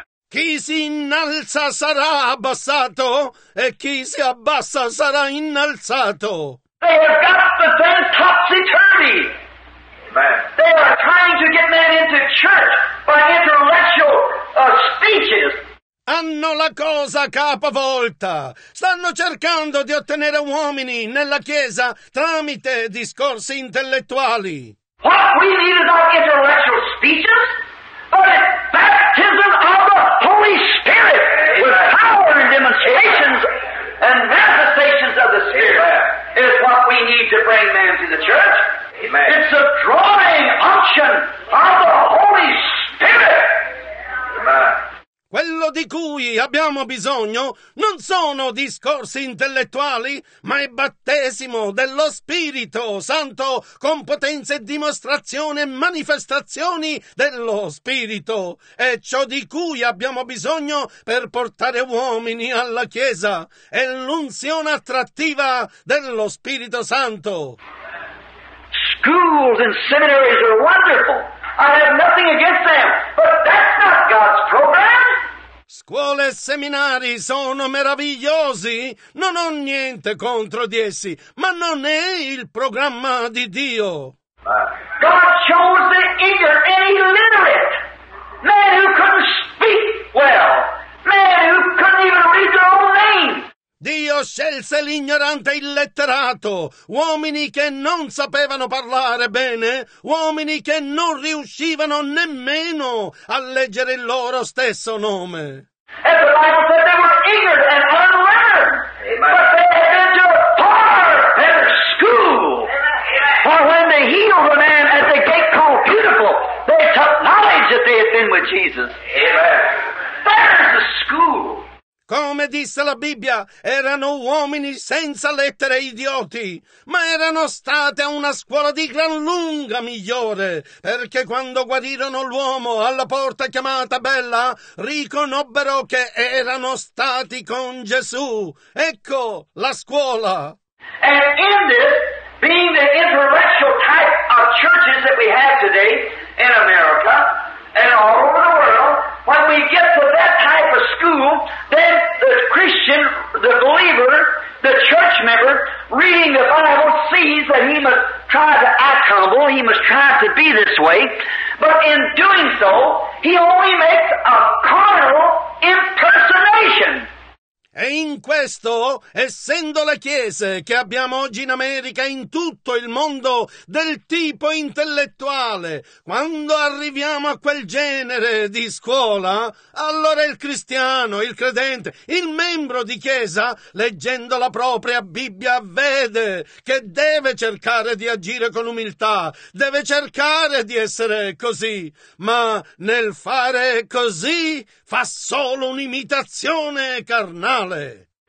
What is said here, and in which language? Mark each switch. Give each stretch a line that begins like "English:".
Italian: Chi si innalza sarà abbassato, e chi si abbassa sarà innalzato.
English: They have got the thing topsy-turvy. They are trying to get men into church by intellectual speeches.
Italian: Hanno la cosa capovolta. Stanno cercando di ottenere uomini nella Chiesa tramite discorsi intellettuali.
English: What we need is not intellectual speeches, but a baptism of the Holy Spirit with power and demonstrations and manifestations of the Spirit is what we need to bring men to the church. Amen. It's a drawing unction of the Holy Spirit. Amen.
Italian: Quello di cui abbiamo bisogno non sono discorsi intellettuali, ma è battesimo dello Spirito Santo con potenza e dimostrazione e manifestazioni dello Spirito. È ciò di cui abbiamo bisogno per portare uomini alla Chiesa. È l'unzione attrattiva dello Spirito Santo.
English: Schools and seminaries are wonderful. I have nothing against them, but that's not God's program.
Italian: Scuole e seminari sono meravigliosi, non ho niente contro di essi, ma non è il programma di Dio.
English: God chose the ignorant and illiterate, men who couldn't speak well, men who couldn't even read their own name.
Italian: Dio scelse l'ignorante illetterato, uomini che non sapevano parlare bene, uomini che non riuscivano nemmeno a leggere il loro stesso nome.
English: And the Bible said they were ignorant and unlearned, but they had been to a far better school. For when they healed a man at the gate called Beautiful, they took knowledge that they had been with Jesus. Amen. There's the school.
Italian: Come disse la Bibbia, erano uomini senza lettere idioti, ma erano state a una scuola di gran lunga migliore, perché quando guarirono l'uomo alla porta chiamata Bella, riconobbero che erano stati con Gesù. Ecco la scuola.
English: And in this, being the intellectual type of churches that we have today in America and all over the world, when we get to that type of school, then the Christian, the believer, the church member, reading the Bible, sees that he must try to act humble, he must try to be this way, but in doing so, he only makes a carnal impersonation.
Italian: E in questo, essendo le chiese che abbiamo oggi in America e in tutto il mondo del tipo intellettuale, quando arriviamo a quel genere di scuola, allora il cristiano, il credente, il membro di chiesa, leggendo la propria Bibbia, vede che deve cercare di agire con umiltà, deve cercare di essere così, ma nel fare così fa solo un'imitazione carnale.